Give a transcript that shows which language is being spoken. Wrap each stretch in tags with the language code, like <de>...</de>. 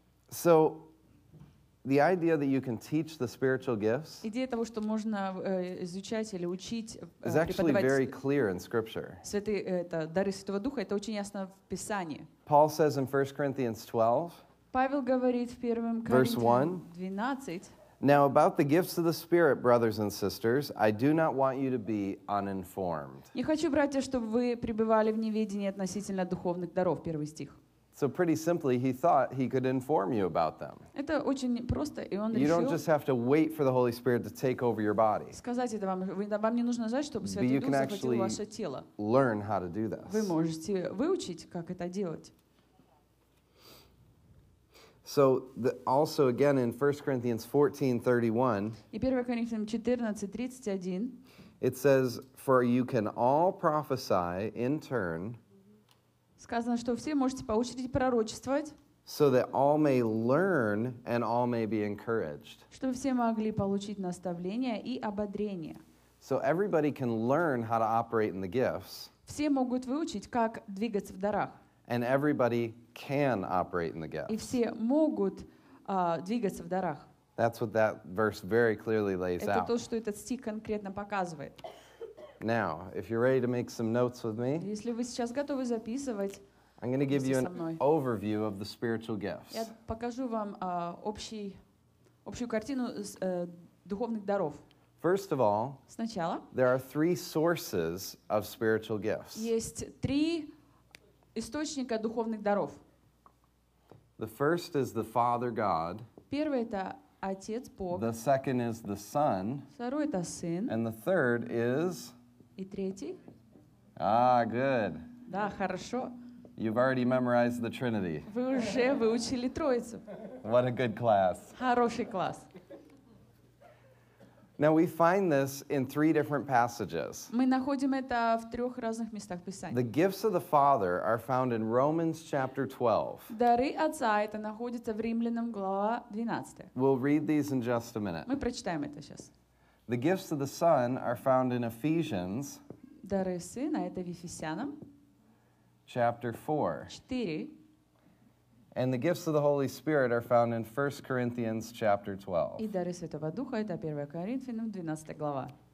<en>So, the idea that you can teach the spiritual gifts</en> <ru>идея того, что можно изучать или учить,</ru> <en>is actually very clear in Scripture.</en> <ru>Это дары Святого Духа, это очень ясно в Писании.</ru> <en>Paul says in 1 Corinthians 12,</en> <ru>Павел говорит в 1 Коринфянам 12,</ru> <en>Now about the gifts of the Spirit, brothers and sisters, I do not want you to be uninformed.</en> <ru>Не хочу, братья, чтобы вы пребывали в неведении относительно духовных даров, первый стих.</ru> <en>So pretty simply, he thought he could inform you about them.</en> <ru>Это очень просто, и он решил.</ru> <en>You don't just have to wait for the Holy Spirit to take over your body.</en> <ru>Сказать это вам, вам не нужно ждать, чтобы Святой Дух захватил ваше тело.</ru> <en>Learn how to do this.</en> <ru>Вы можете выучить, как это делать.</ru> <en>So also again in 1 Corinthians 14:31. It says, "For you can all prophesy in turn."</en> <ru>Сказано, что все можете по очереди пророчествовать,</ru> <en>so that all may learn and all may be encouraged.</en> <ru>Чтобы все могли получить наставление и ободрение.</ru> <en>So everybody can learn how to operate in the gifts.</en> <ru>Все могут выучить, как двигаться в дарах.</ru> <en>And everybody can operate in the gifts.</en> <ru>И все могут двигаться в дарах.</ru> <en>That's what that verse very clearly lays</en> <ru>это Это то, что этот стих конкретно показывает.</ru> <en>Now, if you're ready to make some notes with me,</en> <ru>если вы сейчас готовы записывать,</ru> <en>I'm going to give you an overview of the spiritual gifts.</en> <ru>Я покажу вам общую картину духовных даров.</ru> <en>First of all,</en> <ru>сначала,</ru> <en>there are three sources of spiritual gifts.</en> <ru>Есть три источника духовных даров.</ru> <en>The first is the Father God.</en> <ru>Первый — это Отец Бог.</ru> <en>The second is the Son.</en> <ru>Второй — это Сын.</ru> <en>And the third is</en> <ru>И третий.</ru> <en>Ah, good.</en> <ru>Да, хорошо.</ru> <en>You've already memorized the Trinity.</en> <ru>Вы уже выучили Троицу.</ru> <en>What a good class.</en> <ru>Хороший класс.</ru> <en>Now we find this in three different passages.</en> <ru>Мы находим это в трех разных местах Писания.</ru> <en>The gifts of the Father are found in Romans chapter 12.</en> <ru>Дары Отца это находится в Римлянам глава 12.</ru> <en>We'll read these in just a minute.</en> <ru>Мы прочитаем это сейчас.</ru> <en>The gifts of the Son are found in Ephesians.</en> <ru>Дары Сына это в Ефесянам.</ru> <en>Chapter 4.</en> <ru>4.</ru> <en>And the gifts of the Holy Spirit are found in 1 Corinthians chapter 12.</en> <ru>И дары Святого Духа это 1 Коринфянам 12 глава.</ru>